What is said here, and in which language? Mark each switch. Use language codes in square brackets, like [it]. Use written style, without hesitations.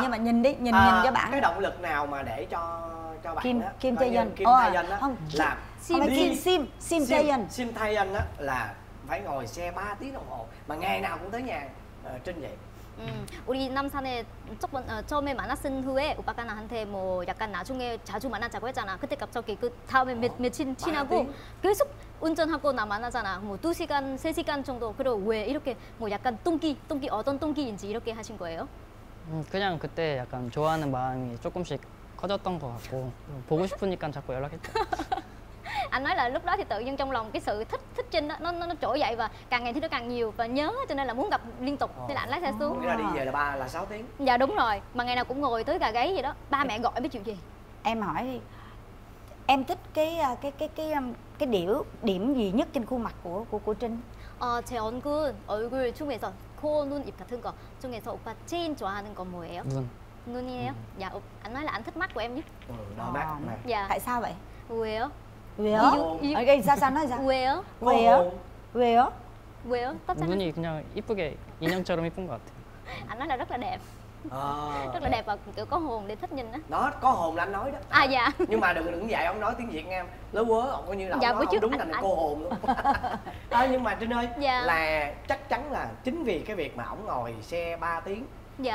[vi] Nhưng mà nhìn đi, nhìn cho bạn. Cái động lực nào mà để cho bạn Kim đó, Kim Taeyeon. Kim Taeyeon đó. Không, là Kim Taeyeon. Kim Taeyeon đó là phải ngồi xe 3 tiếng đồng hồ mà ngày nào cũng tới nhà Trinh vậy. [ko] 우리 남산에 조금 처음에 만났은 후에 오빠가 나한테 뭐 약간 나중에 자주 만나자고 했잖아. 그때 갑자기 그 다음에 며칠 지나고 계속 운전하고 나 만나잖아. 뭐 2시간, 3시간 정도. 그리고 왜 이렇게 뭐 약간 똥기 어떤 똥기인지 이렇게 하신 거예요? 그냥 그때 약간 좋아하는 마음이 조금씩 커졌던 것 같고 보고 싶으니까 자꾸 연락했죠. [vi] Anh nói là lúc đó thì tự nhiên trong lòng cái sự thích Trinh đó nó trỗi dậy và càng ngày thì nó càng nhiều và nhớ, cho nên là muốn gặp liên tục. Thế là anh lái xe xuống. Nghĩa là đi về là 6 tiếng. Dạ đúng rồi, mà ngày nào cũng ngồi tới gà gáy vậy đó. Ba mẹ gọi mới chịu gì. Em hỏi đi. em thích cái điểm điểm gì nhất trên khuôn mặt của Trinh? [ko] À, 제 얼굴 얼굴 중에서 코 눈 입 같은 거 중에서 오빠 제일 좋아하는 거 뭐예요? 눈 눈이에요? [vi] Dạ, anh nói là anh thích mắt của em nhé. Ừ, nó mắt này. Dạ. Tại sao vậy? Vì Vì ở cái sao sao nói sao? Vì Vì Vì [ko] 왜요? 깜짝이야. 눈이 그냥 이쁘게 인형처럼 이쁜 것 같아. [vi] 안 나 rất là đẹp. 아. rất là đẹp và kiểu có hồn để thích nhìn á. Đó, có hồn là anh nói đó. À dạ. Nhưng mà đừng dạy ông nói tiếng Việt nghe em. Lớ quớ, ông coi như là ông nói đúng là cô hồn luôn. Thôi nhưng mà Trinh ơi, là chắc chắn là chính vì cái việc mà ông ngồi xe 3 tiếng. Dạ.